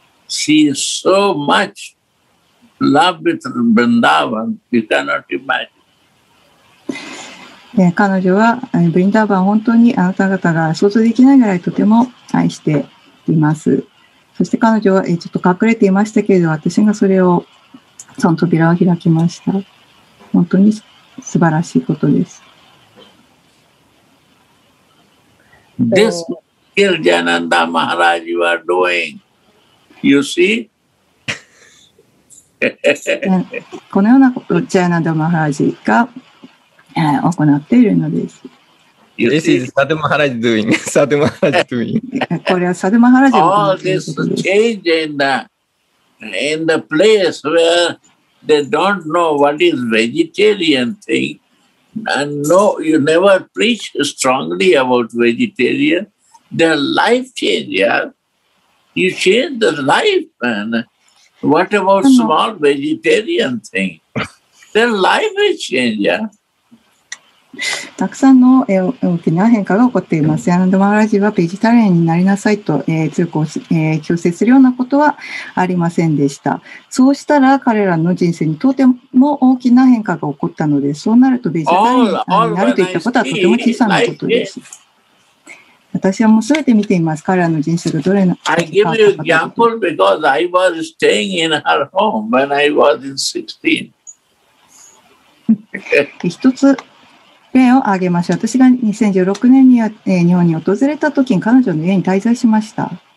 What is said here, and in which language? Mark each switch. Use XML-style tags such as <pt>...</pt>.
<en>She is so much loved with Vrindavan, you cannot imagine.</en> <ja>彼女はブリンダーバン本当にあなた方が想像できないぐらいとても愛しています。そして彼女はちょっと隠れていましたけれど私がそれをその扉を開きました。本当に素晴らしいことです。</ja> <en>This is Jananda Maharaj you are doing. You see?</en> <ja>このようなことジャナンダマハラジが行っているのです。</ja> <en>This is Sadhu Maharaj doing. Sadhu Maharaj doing.</en> <ja>これはサドゥマハラジが行っているということです。</ja> <en>All this change in the place where they don't know what is vegetarian thing, and no, you never preach strongly about vegetarian, their life change, yeah? You change the life, man. What about small vegetarian thing? Their life is changed, yeah?</en> <ja>たくさんの大きな変化が起こっています。ヤナンダ・マハラジはベジタリアンになりなさいと、強く、強制するようなことはありませんでした。そうしたら彼らの人生にとても大きな変化が起こったので、そうなるとベジタリアンになるといったことはとても小さなことです。私はもうすべて見ています。彼らの人生がどれの変化かというと、</ja> <en>I give you an example because I was staying in her home when I was in 16.</en> <ja>一つ例を挙げましょう。私が2016年に、日本に訪れた時に彼女の家に滞在しました。</ja>